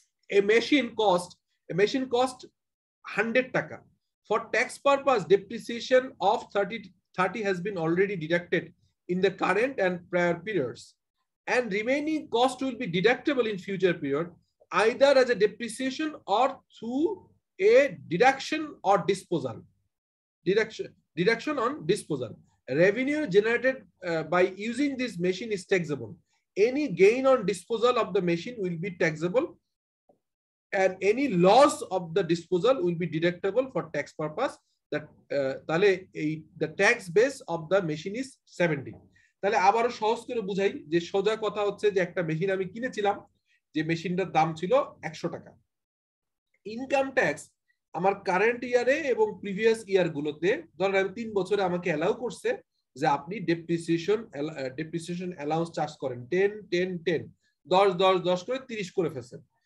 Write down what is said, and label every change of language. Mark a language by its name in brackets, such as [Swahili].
[English] A machine cost 100 টাকা, for tax purpose depreciation of 30 has been already deducted in the current and prior periods, and remaining cost will be deductible in future period either as a depreciation or through a deduction or disposal. Deduction on disposal. Revenue generated by using this machine is taxable. Any gain on disposal of the machine will be taxable and any loss of the disposal will be deductible for tax purpose. The tax base of the machine is 70. [Bangla] তাহলে আবারও সহজ করে বুঝাই, যে সোজা কথা হচ্ছে যে একটা মেশিন আমি কিনেছিলাম, যে মেশিনটার দাম ছিল 100 টাকা, ইনকাম ট্যাক্স আমার কারেন্ট ইয়ারে এবং প্রিভিয়াস ইয়ার গুলোতে ধরেন আমি 3 বছরে আমাকে অ্যালাউ করছে যে আপনি ডেপ্রিসিয়েশন অ্যালাউন্স চার্জ করেন 10 10 10, 10 10 10 করে 30 করে ফেলছেন।